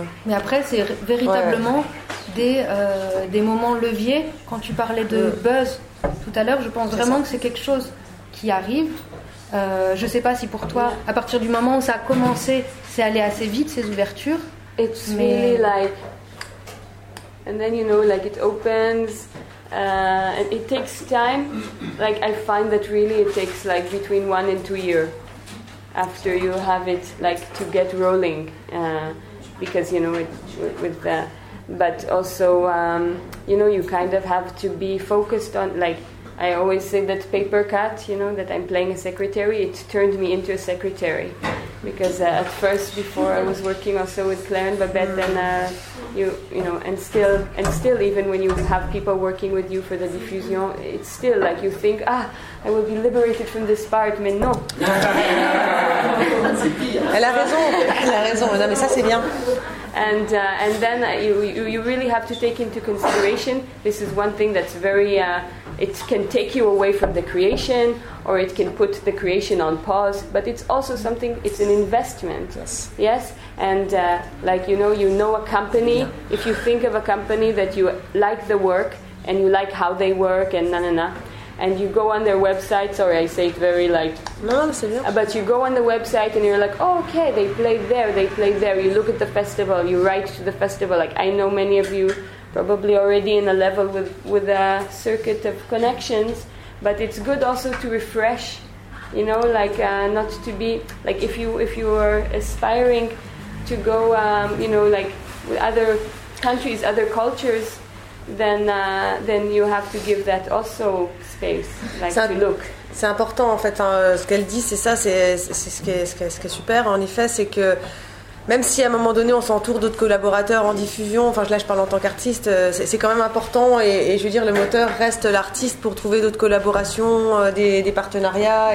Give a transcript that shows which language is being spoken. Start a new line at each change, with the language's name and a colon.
French: Mais après, c'est véritablement des moments leviers. Quand tu parlais de buzz tout à l'heure, je pense vraiment que c'est quelque chose qui arrive. Je ne sais pas si pour toi, à partir du moment où ça a commencé, c'est allé assez vite ces ouvertures.
English: It's mais... really like, and then you know, like it opens, and it takes time. Like I find that really it takes like between 1 and 2 years after you have it, like to get rolling, because you know it with the. But also, you know, you kind of have to be focused on, like, I always say that paper cut, you know, that I'm playing a secretary, it turned me into a secretary. Because at first, before, I was working also with Claire and Babette, then you know, and still, even when you have people working with you for the diffusion, it's still like you think, ah, I will be liberated from this part,
French: mais non. Elle a raison, non, mais ça c'est bien.
English: And then you really have to take into consideration, this is one thing that's very, it can take you away from the creation, or it can put the creation on pause, but it's also something, it's an investment. Yes? And like, you know a company, yeah. If you think of a company that you like the work, and you like how they work, and na-na-na, and you go on their website, sorry, I say it very like...
French: No, c'est bien.
English: But you go on the website and you're like, oh, okay, they play there. You look at the festival, you write to the festival. Like, I know many of you probably already in a level with a circuit of connections, but it's good also to refresh, you know, like not to be... Like, if you are aspiring to go, you know, like, with other countries, other cultures... Then you have to give that also space, like to look.
French: C'est important en fait. Hein, ce qu'elle dit, c'est ça. C'est ce qui est super. En effet, c'est que même si à un moment donné on s'entoure d'autres collaborateurs en diffusion, enfin là je parle en tant qu'artiste, c'est quand même important. Et je veux dire, le moteur reste l'artiste pour trouver d'autres collaborations, des partenariats.